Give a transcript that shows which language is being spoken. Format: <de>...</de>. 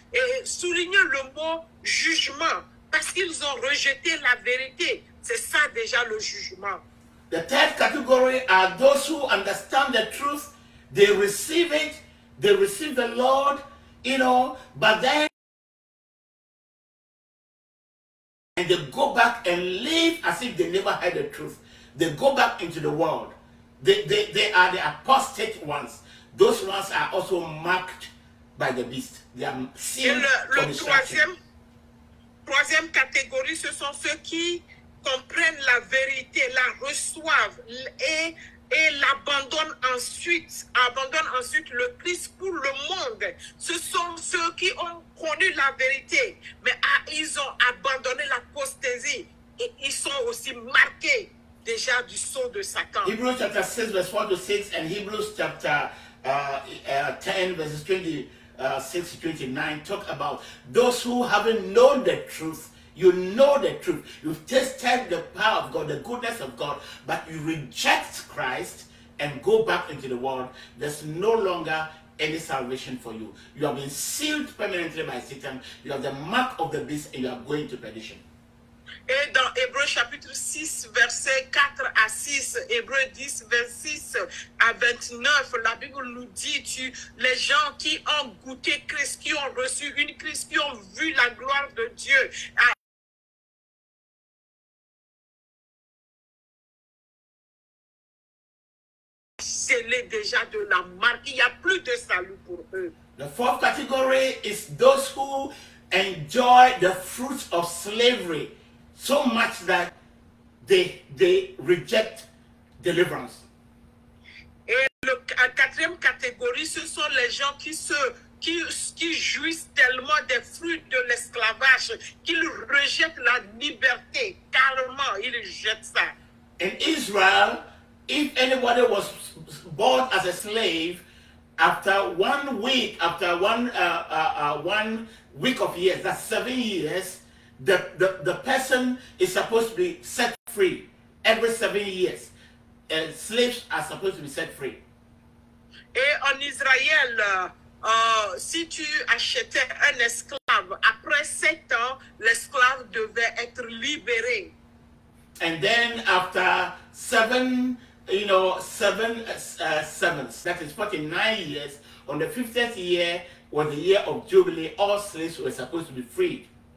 <fr>Et soulignons le mot jugement, parce qu'ils ont rejeté la vérité. C'est ça déjà le jugement.</fr> <en>The third category are those who understand the truth, they receive it, they receive the Lord, you know, but then, and they go back and live as if they never heard the truth. They go back into the world. They are the apostate ones. Those ones are also marked by the beast. They are sealed.</en> <fr>Le troisième catégorie, ce sont ceux qui comprennent la vérité, la reçoivent et l'abandonnent ensuite le Christ pour le monde. Ce sont ceux qui ont connu la vérité, mais ils ont abandonné l'apostasie et ils sont aussi marqués déjà du sceau de Satan.</fr> <en>Hebrews chapter 6 verse 1 to 6 and Hebrews chapter 10 verses 26 to 29 talk about those who haven't known the truth. You know the truth. You've tasted the power of God, the goodness of God, but you reject Christ and go back into the world. There's no longer any salvation for you. You have been sealed permanently by Satan. You have the mark of the beast and you are going to perdition.</en> <fr>Et dans Hébreux chapitre 6, versets 4 à 6, Hébreux 10, verset 6 à 29, la Bible nous dit, les gens qui ont goûté Christ, qui ont reçu une Christ, qui ont vu la gloire de Dieu, scellés déjà de la marque, il n'y a plus de salut pour eux.</fr> <en>The fourth category is those who enjoy the fruit of slavery. So much that they reject deliverance.</en> <fr>Et la quatrième catégorie, ce sont les gens qui jouissent tellement des fruits de l'esclavage qu'ils rejettent la liberté carrément. Ils jettent ça.</fr> <en>In Israel, if anybody was bought as a slave, after one week of years, that's 7 years. The person is supposed to be set free every 7 years. Slaves are supposed to be set free.</en> <fr>Et en Israël, si tu achetais un esclave, après 7 ans, l'esclave devait être libéré.</fr> <en>And then after seven, that is 49 years, on the 50th year was the year of Jubilee, all slaves were supposed to be freed.</en>